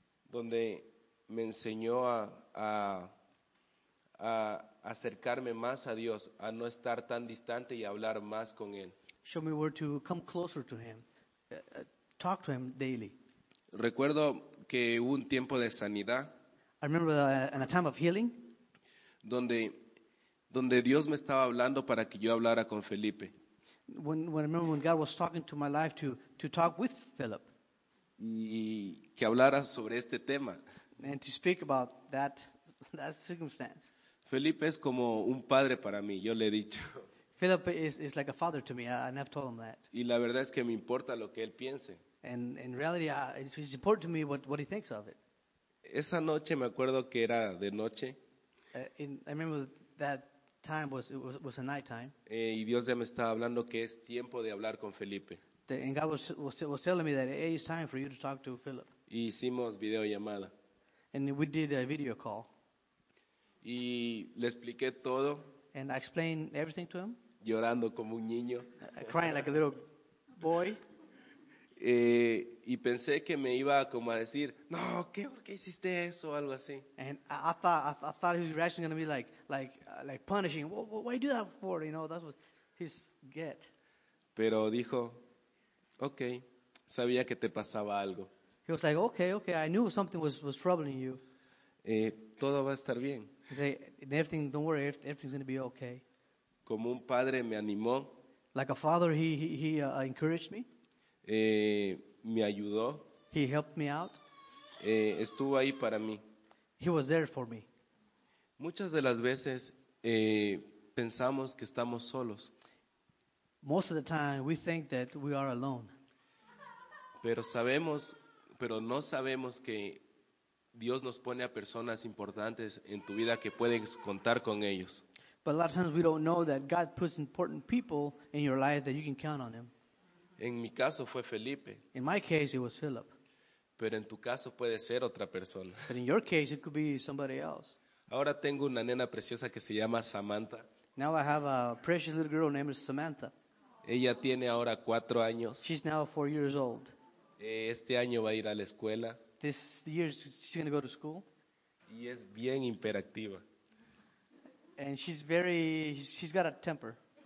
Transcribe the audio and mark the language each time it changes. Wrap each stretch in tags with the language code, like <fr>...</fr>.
<es>Donde me enseñó a acercarme más a Dios, a no estar tan distante y hablar más con Él.</es> <en>Show me where to come closer to Him, talk to Him daily.</en> <es>Recuerdo que hubo un tiempo de sanidad.</es> <en>I remember a time of healing.</en> <es>Donde Dios me estaba hablando para que yo hablara con Felipe.</es> <en>When I remember when God was talking to my life to talk with Philip.</en> <es>Y que hablara sobre este tema.</es> <en>And to speak about that circumstance.</en> <es>Felipe es como un padre para mí, yo le he dicho.</es> <en>Philip is like a father to me, and I've told him that.</en> <es>Y la verdad es que me importa lo que él piense.</es> <en>And in reality, it's important to me what he thinks of it.</en> <es>Esa noche me acuerdo que era de noche.</es> <en>I remember that time was a night time.</en> <es>Y Dios ya me estaba hablando que es tiempo de hablar con Felipe.</es> <en>And God was telling me that hey, it's time for you to talk to Philip.</en> <es>Y hicimos videollamada.</es> <en>And we did a video call.</en> <es>Y le expliqué todo.</es> <en>And I explained everything to him.</en> <es>Llorando como un niño.</es> <en>Crying like a little boy.</en> <es>Y pensé que me iba como a decir, no, ¿qué, por qué hiciste eso? O algo así.</es> <en>And I thought his reaction was going to be like punishing. Why do you do that for? You know, that was his get.</en> <es>Pero dijo, okay, sabía que te pasaba algo.</es> <en>He was like, okay, I knew something was troubling you.</en> <es>Todo va a estar bien.</es> <en>And everything, don't worry, everything's going to be okay.</en> <es>Como un padre me animó.</es> <en>Like a father, he encouraged me.</en> <es>Me ayudó.</es> <en>He helped me out.</en> <es>Estuvo ahí para mí.</es> <en>He was there for me.</en> <es>Muchas de las veces pensamos que estamos solos.</es> <en>Most of the time we think that we are alone.</en> <es>Pero no sabemos que Dios nos pone a personas importantes en tu vida que puedes contar con ellos.</es> <en>But a lot of times we don't know that God puts important people in your life that you can count on them.</en> <es>En mi caso fue Felipe.</es> <en>In my case it was Philip.</en> <es>Pero en tu caso puede ser otra persona.</es> <en>But in your case it could be somebody else.</en> <es>Ahora tengo una nena preciosa que se llama Samantha.</es> <en>Now I have a precious little girl named Samantha.</en> <es>Ella tiene ahora 4 años.</es> <en>She's now 4 years old.</en> <es>Este año va a ir a la escuela.</es> <en>This year she's going to go to school.</en> <es>Y es bien imperativa.</es> <en>And she's got a temper.</en>